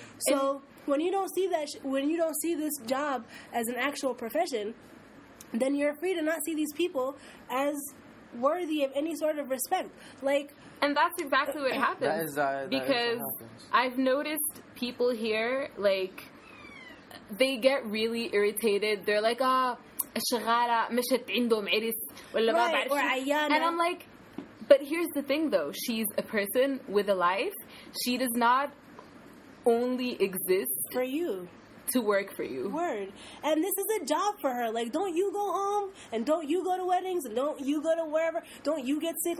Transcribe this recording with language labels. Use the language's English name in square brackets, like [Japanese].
[English] So when you don't see that, when you don't see this job as an actual profession, then you're free to not see these people as worthy of any sort of respect. Like, and that's exactly what happens. That is, because that is what happens. I've noticed people here, like, they get really irritated. They're like, ah, [Arabic] الشغالة مشت عندهم عريس ولا ما بعرف. [English] And I'm like, but here's the thing, though. She's a person with a life. She does not only exist for you. To work for you. Word. And this is a job for her. Like, don't you go home? And don't you go to weddings? And don't you go to wherever? Don't you get sick?